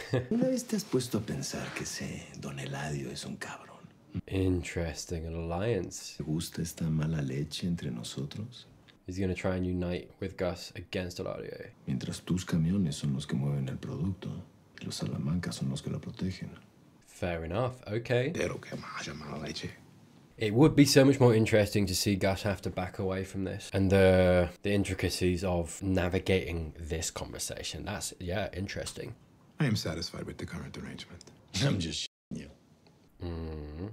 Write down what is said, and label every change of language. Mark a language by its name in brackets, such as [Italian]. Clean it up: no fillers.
[Spanish] ¿Una vez te has puesto a pensar que ese Don Eladio es un cabrón? [English] Interesting, an alliance. [Spanish] ¿Te gusta esta mala leche entre nosotros? [English] Is he going to try and unite with Gus against Eladio? [Spanish] Mientras tus camiones son los que mueven el producto, los Salamancas son los que lo protegen. [English] Fair enough, okay. [Spanish] Pero que haya mala leche. [English] It would be so much more interesting to see Gus have to back away from this and the intricacies of navigating this conversation. That's, yeah, interesting. I am satisfied with the current arrangement. I'm just shitting you.